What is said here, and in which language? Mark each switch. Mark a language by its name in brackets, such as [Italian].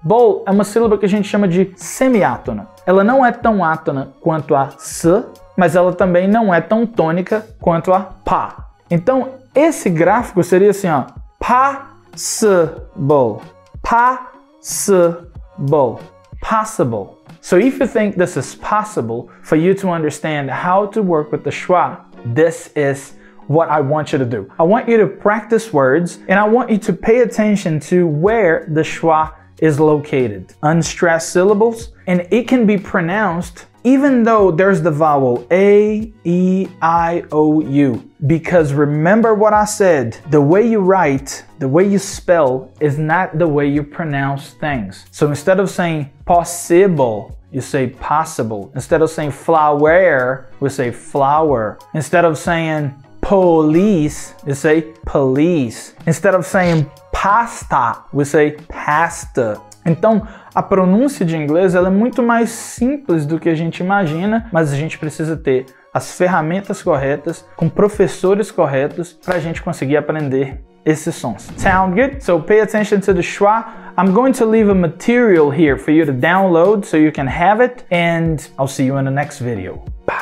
[Portuguese] Bol é uma sílaba que a gente chama de semiátona, ela não é tão átona quanto a s, mas ela também não é tão tônica quanto a pa. Então esse gráfico seria assim, ó, pa, s, bol. [English] Possible, possible. So if you think this is possible for you to understand how to work with the schwa, this is what I want you to do. I want you to practice words and I want you to pay attention to where the schwa is located. Unstressed syllables, and it can be pronounced even though there's the vowel A, E, I, O, U. Because remember what I said, the way you write, the way you spell, is not the way you pronounce things. So instead of saying possible, you say possible. Instead of saying flower, we say flower. Instead of saying police, you say police. Instead of saying pasta, we say pasta. [Portuguese] Então, a pronúncia de inglês ela é muito mais simples do que a gente imagina, mas a gente precisa ter as ferramentas corretas, com professores corretos, para a gente conseguir aprender esses sons. [English] Sound good? So pay attention to the schwa. I'm going to leave a material here for you to download so you can have it, and I'll see you in the next video.